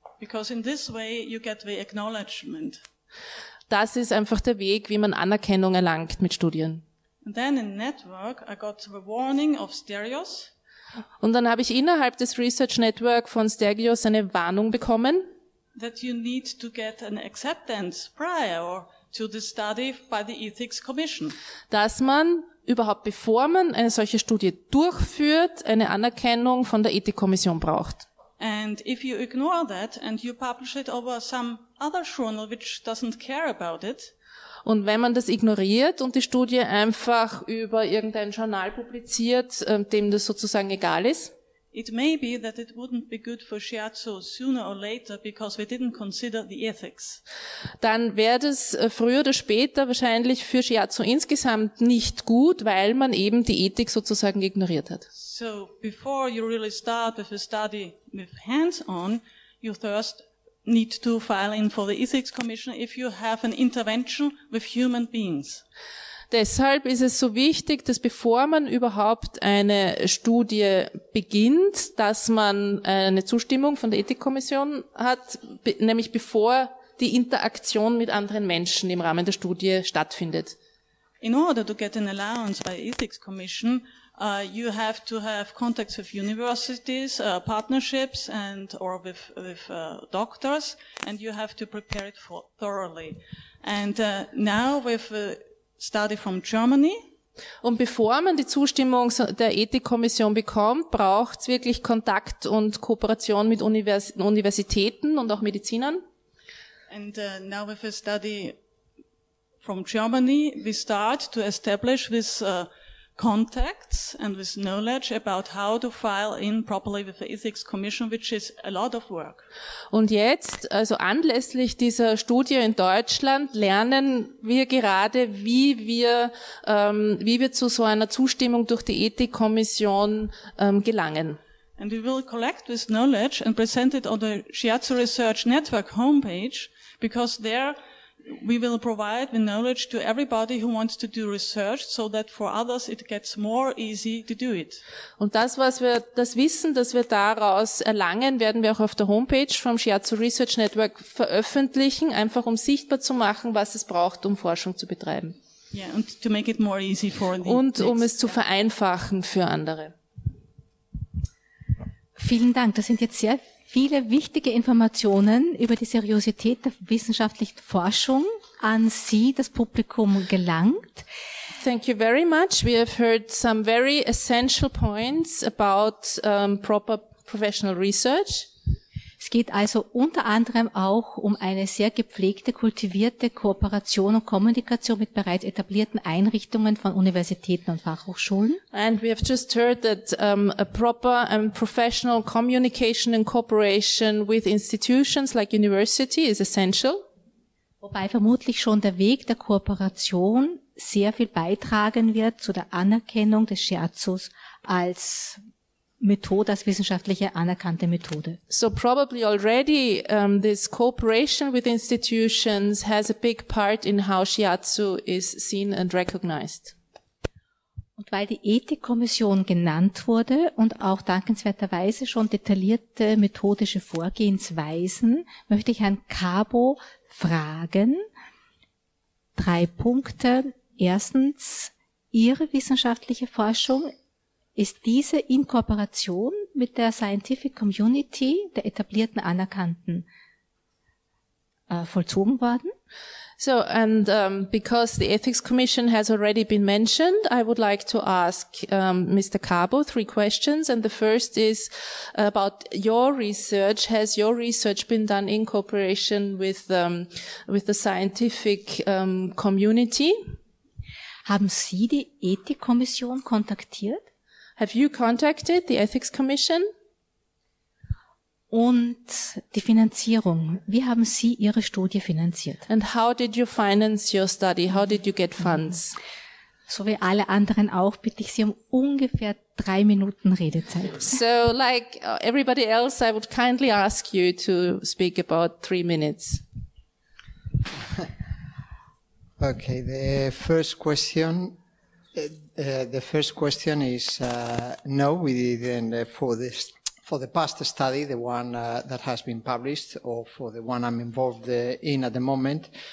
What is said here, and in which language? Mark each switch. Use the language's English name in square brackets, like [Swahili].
[English] Because in this way you get the acknowledgement. [German] Das ist einfach der Weg, wie man Anerkennung erlangt mit Studien. [English] And then in network I got the warning of Stergios. [German] Und dann habe ich innerhalb des Research Network von Stergios eine Warnung bekommen. [English] That you need to get an acceptance prior to the study by the Ethics Commission. [German] Dass man überhaupt, bevor man eine solche Studie durchführt, eine Anerkennung von der Ethikkommission braucht. [English] And if you ignore that and you publish it over some other journal which doesn't care about it. [German] Und wenn man das ignoriert und die Studie einfach über irgendein Journal publiziert, dem das sozusagen egal ist. [English] It may be that it wouldn't be good for Shiatsu sooner or later because we didn't consider the ethics. [German] Dann wäre das früher oder später wahrscheinlich für Shiatsu insgesamt nicht gut, weil man eben die Ethik sozusagen ignoriert hat. [English] So before you really start with a study with hands on, you first need to file in for the Ethics Commission if you have an intervention with human beings. [German] Deshalb ist es so wichtig, dass bevor man überhaupt eine Studie beginnt, dass man eine Zustimmung von der Ethikkommission hat, nämlich bevor die Interaktion mit anderen Menschen im Rahmen der Studie stattfindet. [English] In order to get an allowance by Ethics Commission, you have to have contacts with universities, partnerships and or with doctors and you have to prepare it for thoroughly. And now with study from Germany. [German] Und bevor man die Zustimmung der Ethikkommission bekommt, braucht's wirklich Kontakt und Kooperation mit Universitäten und auch Medizinern. [English] And now with a study from Germany, we start to establish this contacts and with knowledge about how to file in properly with the Ethics Commission, which is a lot of work. [German] Und jetzt, also anlässlich dieser Studie in Deutschland, lernen wir gerade, wie wir zu so einer Zustimmung durch die Ethikkommission gelangen. [English] And we will collect this knowledge and present it on the Shiatsu Research Network homepage, because there we will provide the knowledge to everybody who wants to do research, so that for others it gets more easy to do it. [German] Und das, was wir, das Wissen, das wir daraus erlangen, werden wir auch auf der Homepage vom Shiatsu Research Network veröffentlichen, einfach um sichtbar zu machen, was es braucht, um Forschung zu betreiben. [English] Yeah, and to make it more easy for the [German] und um es zu vereinfachen für andere. Vielen Dank, das sind jetzt sehr viele wichtige Informationen über die Seriosität der wissenschaftlichen Forschung an Sie, das Publikum, gelangt. [English] Thank you very much. We have heard some very essential points about proper professional research. [German] Es geht also unter anderem auch um eine sehr gepflegte, kultivierte Kooperation und Kommunikation mit bereits etablierten Einrichtungen von Universitäten und Fachhochschulen. [English] And we have just heard that a proper and professional communication and cooperation with institutions like university is essential. [German] Wobei vermutlich schon der Weg der Kooperation sehr viel beitragen wird zu der Anerkennung des Shiatsus als Methode, als wissenschaftliche anerkannte Methode. [English] So probably already this cooperation with institutions has a big part in how Shiatsu is seen and recognized. [German] Und weil die Ethikkommission genannt wurde und auch dankenswerterweise schon detaillierte methodische Vorgehensweisen, möchte ich Herrn Cabo fragen. Drei Punkte. Erstens, Ihre wissenschaftliche Forschung, ist diese in Kooperation mit der Scientific Community, der etablierten Anerkannten, vollzogen worden? [English] So, and because the Ethics Commission has already been mentioned, I would like to ask Mr. Cabo three questions. And the first is about your research. Has your research been done in cooperation with the Scientific Community? [German] Haben Sie die Ethikkommission kontaktiert? [English] Have you contacted the Ethics Commission? [German] Und die Finanzierung. Wie haben Sie Ihre Studie finanziert? [English] And how did you finance your study? How did you get funds? [German] So wie alle anderen auch, bitte ich Sie um ungefähr 3 Minuten Redezeit. [English] So like everybody else, I would kindly ask you to speak about 3 minutes. Okay, the first question is no, we didn't for the past study, the one that has been published, or for the one I'm involved in at the moment.